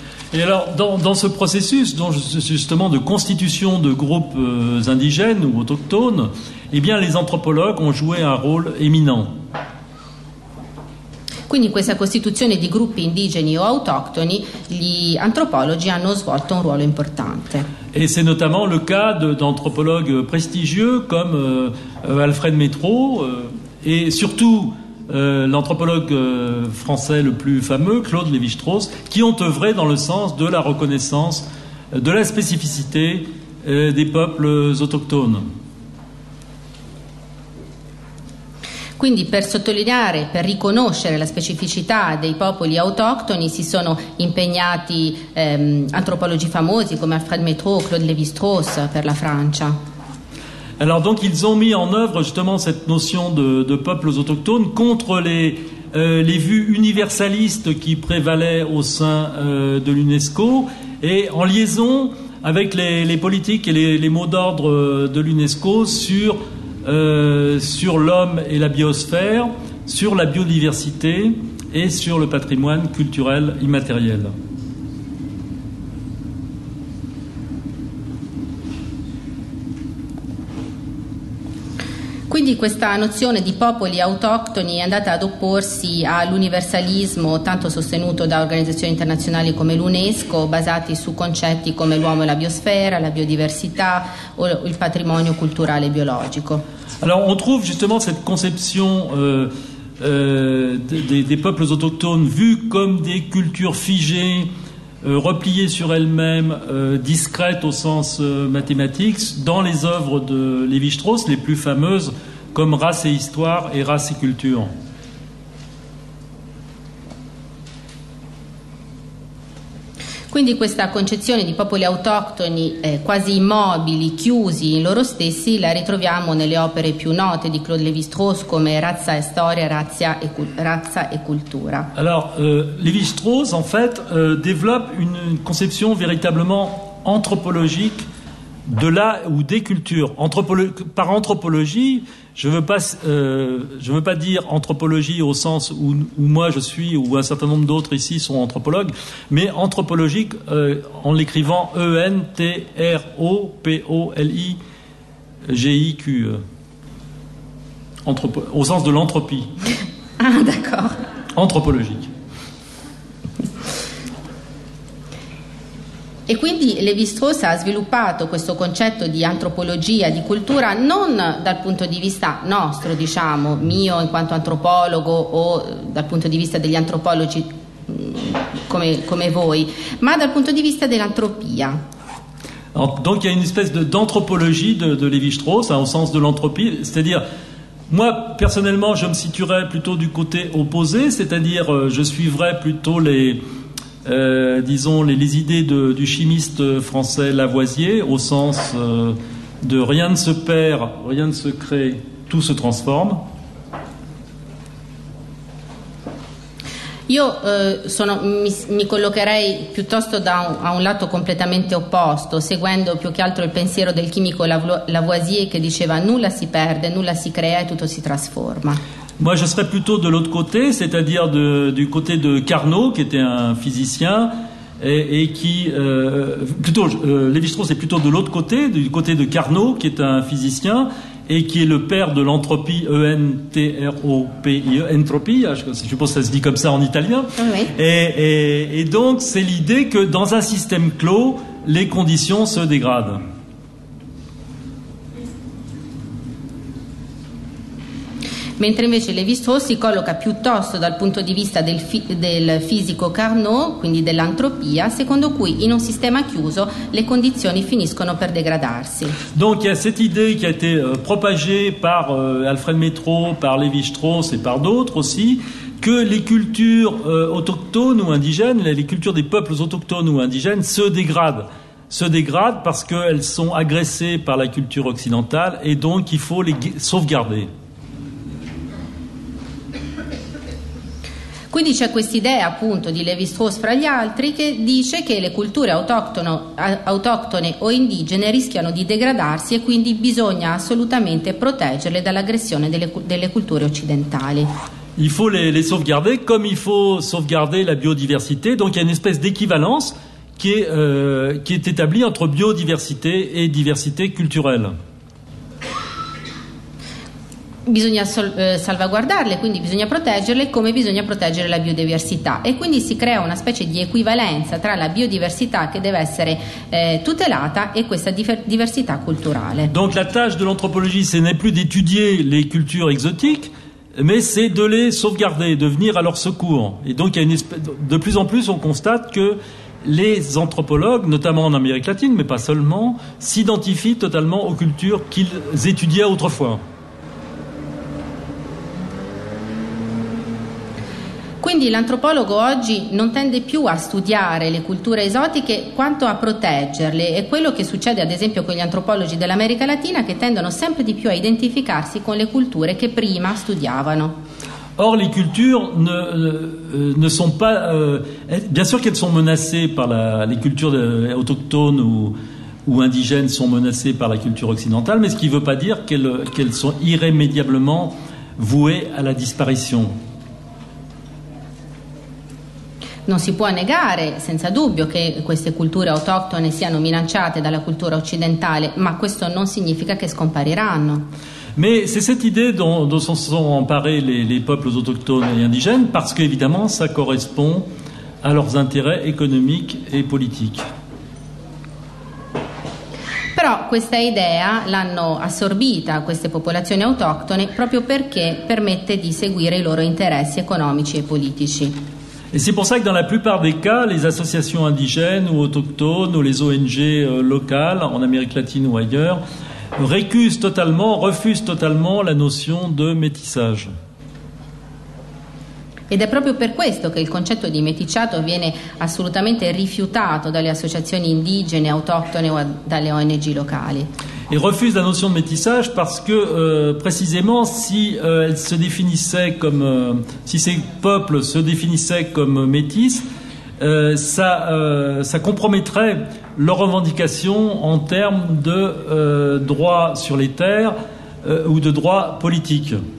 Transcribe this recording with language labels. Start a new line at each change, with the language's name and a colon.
Italian: E allora,
French: dans ce processus, justement, de constitution de groupes indigènes ou autochtones, eh bien, les anthropologues ont joué un rôle éminent.
Italian: Quindi in questa costituzione di gruppi indigeni o autoctoni, gli antropologi hanno svolto un ruolo importante.
French: E c'est notamment le cas d'anthropologues prestigieux comme Alfred Métraux et surtout l'anthropologue français le plus fameux, Claude Lévi-Strauss, qui ont œuvré dans le sens de la reconnaissance de la spécificité des peuples autochtones.
Italian: Quindi per sottolineare, per riconoscere la specificità dei popoli autoctoni, si sono impegnati antropologi famosi come Alfred Métraux, Claude Lévi-Strauss per la Francia.
French: Alors donc ils ont mis en œuvre justement cette notion de peuples autochtones contre les vues universalistes qui prévalaient au sein de l'UNESCO, et en liaison avec les politiques et les mots d'ordre de l'UNESCO sur sur l'homme et la biosphère, sur la biodiversité et sur le patrimoine culturel immatériel.
Italian: Quindi questa nozione di popoli autoctoni è andata ad opporsi all'universalismo tanto sostenuto da organizzazioni internazionali come l'UNESCO, basati su concetti come l'uomo e la biosfera, la biodiversità o il patrimonio culturale biologico.
French: Alors on trouve justement cette conception des peuples autochtones vus comme des cultures figées, repliées sur elles-mêmes, discrètes au sens mathématique, dans les œuvres de Lévi-Strauss, les plus fameuses, comme « Race et histoire » et « Race et culture ».
Italian: Quindi questa concezione di popoli autoctoni quasi immobili, chiusi in loro stessi, la ritroviamo nelle opere più note di Claude Lévi-Strauss come Razza e storia, razza e cultura.
French: Alors, Lévi-Strauss en fait développe une conception véritablement anthropologique de la ou des cultures. Par anthropologie, je veux pas dire anthropologie au sens où moi je suis, ou un certain nombre d'autres ici sont anthropologues, mais anthropologique en l'écrivant ENTROPOLIGIQUE, au sens de l'entropie. Ah, d'accord. Anthropologique.
Italian: E quindi Lévi-Strauss ha sviluppato questo concetto di antropologia, di cultura, non dal punto di vista nostro, diciamo, mio in quanto antropologo o dal punto di vista degli antropologi come voi, ma dal punto di vista dell'antropia.
French: Donc il y a une espèce d'anthropologie de Lévi-Strauss, hein, au sens de l'entropie, c'est-à-dire, moi personnellement je me situerais plutôt du côté opposé, c'est-à-dire je suivrais plutôt les idées du chimiste français Lavoisier, au sens de rien ne se perd, rien ne se crée, tout se transforme.
Italian: Io mi collocherei piuttosto a un lato completamente opposto, seguendo più che altro il pensiero del chimico Lavoisier, che diceva nulla si perde, nulla si crea e tutto si trasforma.
French: Moi, je serais plutôt de l'autre côté, c'est-à-dire du côté de Carnot, qui était un physicien, et qui plutôt Lévi-Strauss est plutôt de l'autre côté, du côté de Carnot, qui est un physicien et qui est le père de l'entropie, E-N-T-R-O-P-I-E, entropie, je suppose que ça se dit comme ça en italien. Oui. Et donc, c'est l'idée que dans un système clos, les conditions se dégradent.
Italian: Mentre invece Lévi-Strauss si colloca piuttosto dal punto di vista del fisico Carnot, quindi dell'entropia, secondo cui in un sistema chiuso le condizioni finiscono per degradarsi.
French: Donc il y a cette idée qui a été propagée par Alfred Métraux, par Lévi-Strauss et par d'autres aussi, que les cultures autochtones ou indigènes, les cultures des peuples autochtones ou indigènes se dégradent. Se dégradent parce qu'elles sont agressées par la culture occidentale et donc il faut les sauvegarder.
Italian: Quindi c'è questa idea appunto di Lévi-Strauss fra gli altri che dice che le culture autoctone o indigene rischiano di degradarsi e quindi bisogna assolutamente proteggerle dall'aggressione delle culture occidentali.
French: Il faut les sauvegarder comme il faut sauvegarder la biodiversité, donc il y a une espèce d'équivalence qui est établie entre biodiversité et diversité culturelle.
Italian: Bisogna salvaguardarle, quindi bisogna proteggerle come bisogna proteggere la biodiversità e quindi si crea una specie di equivalenza tra la biodiversità che deve essere tutelata e questa diversità culturale.
French: Donc la tâche de l'anthropologie ce n'est plus d'étudier les cultures exotiques mais c'est de les sauvegarder, de venir à leur secours. Et donc il y a une espèce, de plus en plus on constate que les anthropologues, notamment en Amérique latine mais pas seulement, s'identifient totalement aux cultures qu'ils étudiaient autrefois.
Italian: Quindi l'antropologo oggi non tende più a studiare le culture esotiche quanto a proteggerle. È quello che succede ad esempio con gli antropologi dell'America Latina che tendono sempre di più a identificarsi con le culture che prima studiavano.
French: Or les cultures ne sont pas bien sûr qu'elles sont menacées par les cultures autochtones ou indigènes sont menacées par la culture occidentale, mais ce qui veut pas dire qu'elles sont irrémédiablement vouées à la disparition.
Italian: Non si può negare, senza dubbio, che queste culture autoctone siano minacciate dalla cultura occidentale, ma questo non significa che scompariranno.
French: Mais c'est cette idée dont se sont emparés les peuples autochtones et indigènes, parce que évidemment ça correspond à leurs intérêts économiques et politiques.
Italian: Però questa idea l'hanno assorbita queste popolazioni autoctone proprio perché permette di seguire i loro interessi economici e politici.
French: Et c'est pour ça que dans la plupart des cas, les associations indigènes ou autochtones ou les ONG locales en Amérique latine ou ailleurs refusent totalement la notion de métissage.
Italian: Ed è proprio per questo che il concetto di meticciato viene assolutamente rifiutato dalle associazioni indigene, autoctone o dalle ONG locali.
French: Et refusent la notion de métissage parce que précisément si elles se définissaient comme si ces peuples se définissaient comme métis, ça compromettrait leurs revendications en termes de droits sur les terres ou de droits politiques.